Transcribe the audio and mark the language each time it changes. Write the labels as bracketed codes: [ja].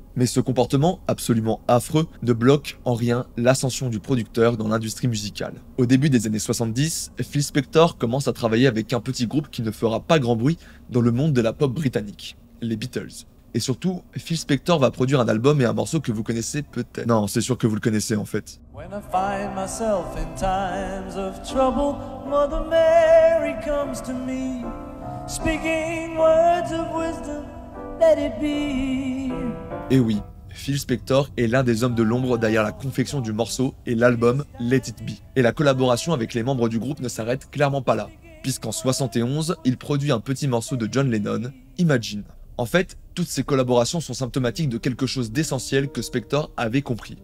[fr] Mais ce comportement absolument affreux ne bloque en rien l'ascension du producteur dans l'industrie musicale. Au début des années 70, Phil Spector commence à travailler avec un petit groupe qui ne fera pas grand bruit dans le monde de la pop britannique, les Beatles. Et surtout, Phil Spector va produire un album et un morceau que vous connaissez peut-être. Non, c'est sûr que vous le connaissez en fait. [en] When I find myself in times of trouble, Mother Mary comes to me, speaking words of wisdom, let it be. [fr] Et oui, Phil Spector est l'un des hommes de l'ombre derrière la confection du morceau et l'album Let It Be. Et la collaboration avec les membres du groupe ne s'arrête clairement pas là, puisqu'en 71, il produit un petit morceau de John Lennon, Imagine. En fait, toutes ces collaborations sont symptomatiques de quelque chose d'essentiel que Spector avait compris.